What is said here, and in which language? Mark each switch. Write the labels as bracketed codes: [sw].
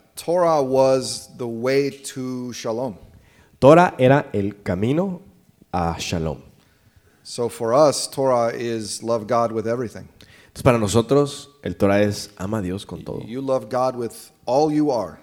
[en] Torah was the way to shalom. [es] Torah era el camino a shalom. [en] So for us, Torah is love God with everything. [es] Entonces para nosotros, el Torah es ama a Dios con todo. [en] You love God with all you are.